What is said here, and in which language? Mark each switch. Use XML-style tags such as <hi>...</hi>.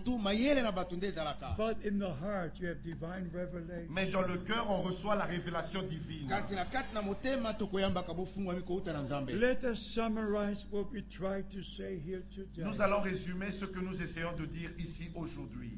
<en>But in the heart, you have divine revelation.</en> <fr>Mais dans le cœur, on reçoit la révélation divine.</fr> <en>Let us summarize what we try to say here today.</en> <fr>Nous allons résumer ce que nous essayons de dire ici aujourd'hui.</fr>